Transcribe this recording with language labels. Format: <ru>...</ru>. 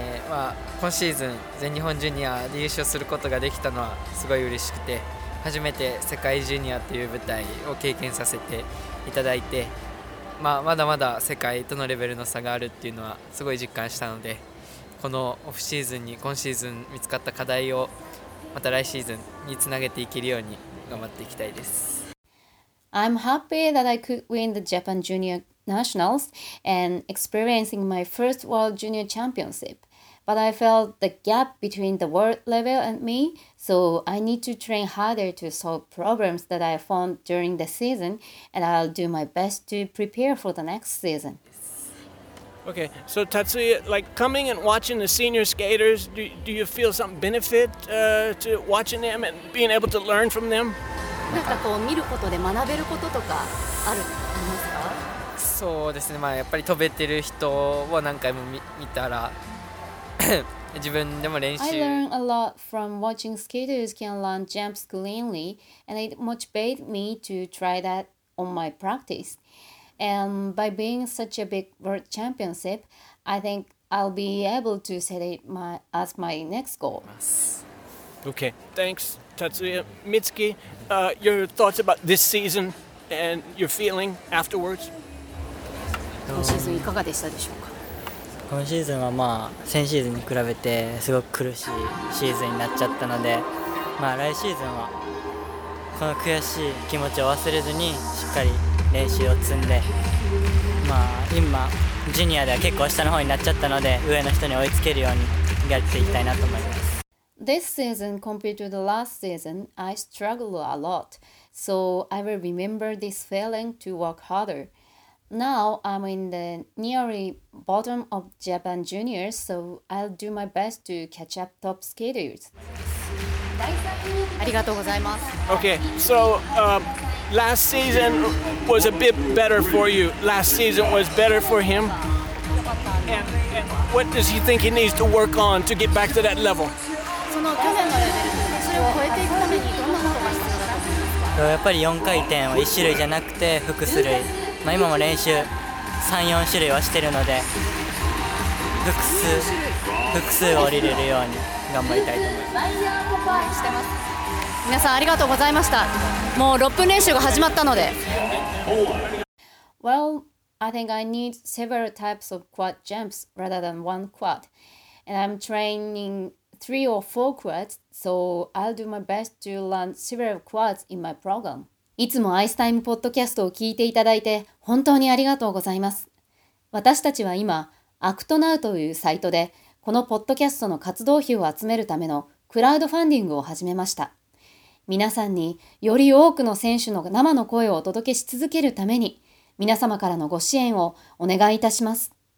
<ja>まあ、今シーズン全日本ジュニアで優勝することができたのはすごい嬉しくて、初めて世界ジュニアという舞台を経験させていただいて、まあ、まだまだ世界とのレベルの差があるっていうのはすごい実感したので、このオフシーズンに今シーズン見つかった課題をまた来シーズンにつなげていけるように頑張っていきたいです。</ja> <en>I'm happy that I could win the Japan Junior Nationals and experiencing my first World Junior Championship. But I felt the gap between the world level and me, so I need to train harder to solve problems that I found during the season, and I'll do my best to prepare for the next season. Okay, so Tatsuya, like coming and watching the senior skaters, do you feel some benefit to watching them and being able to learn from them?</en> <ja>なんかこう見ることで学べることとかある、ありますか? そうですね、まあ、やっぱり飛べてる人を何回も 見たら自分でも練習</ja> <en>I learned a lot from watching skaters can learn jumps cleanly and it motivated me to try that on my practice and by being such a big world championship I think I'll be able to set it my, as my next goal Okay, thanks Tatsuya Mitsuki, your thoughts about this seasonAnd your feeling afterwards?</en> <ja>今シーズンいかがでしたでしょうか。今シーズンはまあ先シーズンに比べてすごく苦しいシーズンになっちゃったので、まあ来シーズンはこの悔しい気持ちを忘れずにしっかり練習を積んで、まあ今ジュニアでは結構下の方になっちゃったので上の人に追いつけるようにやっていきたいなと思います。</ja> <en>This season compared to the last season, I struggled a lot. So I will remember this feeling to work harder. Now I'm in the nearly bottom of Japan Juniors, so I'll do my best to catch up top skaters. Thank you. Okay, so last season was a bit better for you. Last season was better for him. And what does he think he needs to work on to get back to that level?</en> <ja>やっぱり4回転を1種類じゃなくて複数類、まあ、今も練習3、4種類はしてるので複数降りれるように頑張りたいと思います。皆さんありがとうございました。もう6分練習が始まったので。</ja> <en>Well, I think I need several types of quad jumps rather than one quad and I'm training three or four quads, so I'll do my best to learn several quads in my program.</en> <ja>いつもアイスタイムポッドキャストを聞いていただいて本当にありがとうございます。私たちは今、アクトナウというサイトで、このポッドキャストの活動費を集めるためのクラウドファンディングを始めました。皆さんにより多くの選手の生の声をお届けし続けるために、皆様からのご支援をお願いいたします。</ja>